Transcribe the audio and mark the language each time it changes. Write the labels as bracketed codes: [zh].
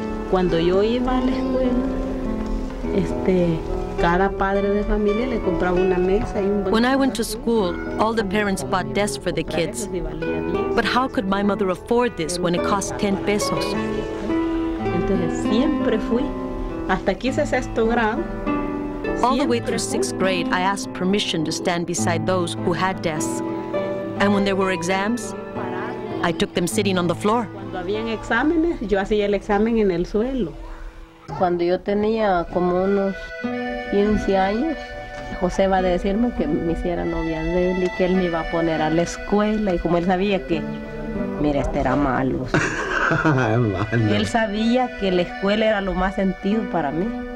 [es] Cuando yo iba a la escuela, cada padre de familia le compraba una mesa y un banco. [en] When I went to school, all the parents bought desks for the kids. But how could my mother afford this when it cost 10 pesos? [es] Entonces siempre fui hasta quince sexto grado. [en] All the way through sixth grade, I asked permission to stand beside those who had desks. And when there were exams, I took them sitting on the floor. [es] Cuando habían exámenes, yo hacía el examen en el suelo. Cuando yo tenía como unos 15 años, José va a decirme que me hiciera novia de él y que él me iba a poner a la escuela. Y como él sabía que, mira, este era malo. Y él sabía que la escuela era lo más sentido para mí.